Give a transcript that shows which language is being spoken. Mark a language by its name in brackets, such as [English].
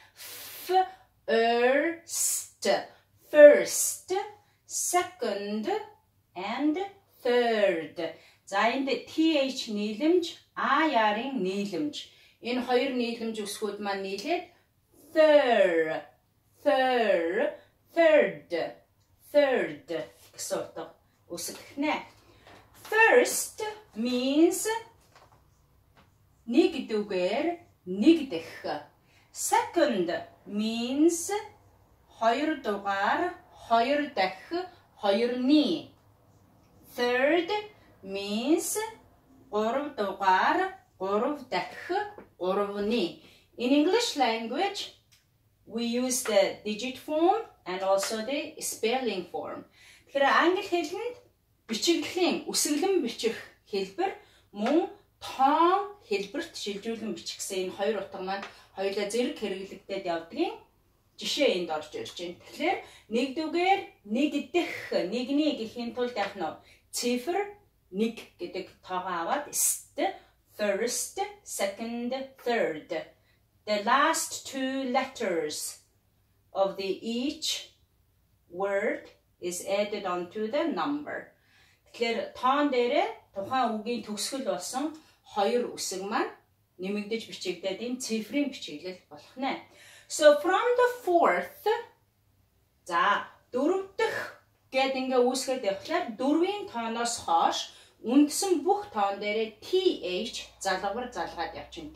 [English] F first. First, second and third. [Mongolian] За энд TH нийлэмж, IR-ын нийлэмж. Энэ хоёр нийлэмж үсгүүд маань нийлээд third, third, third. [English] Third sort of [Mongolian] үсгэнэ. [English] First means [Mongolian] нэг дүгээр, нэг дэх. [English] Second means [Mongolian] хоёр дугаар, хоёр дахь, хоёрны. [English] Third means [Mongolian] гурав дугаар, гурав дахь, гуравны. [English] In English language, we use the digit form and also the spelling form. [Mongolian] Тэгэхээр англи хэлэнд бичиглэлийн үсгэлэн бичих хэлбэр мөн тоон хэлбэрт шилжүүлэн бичих гэсэн энэ хоёр утга маань хоёулаа зэрэг хэрэглэгдээд явдгийн жишээ энд орж ирж байна. Тэгэхээр нэг дүгээр, нэг дэх, нэгний гэхийн тулд яах нь вэ? Цифр 1 гэдэг тоогоо аваад st, first, second, third. [English] The last two letters of the each word is added onto the number. [Mongolian] Тэгэхээр тоон дээр тухайн үгийн төгсгөл болсон хоёр үсэг маань нэмэгдэж бичигдээд энэ цифрийн бичиглэл болох нэ. [English] So from the fourth, [Mongolian] за дөрөв дэх гэд ингээ үсгэд явахлаа дөрвийн тооноос хойш үндсэн бүх тоон дээр TH залгавар залгаад явчихын.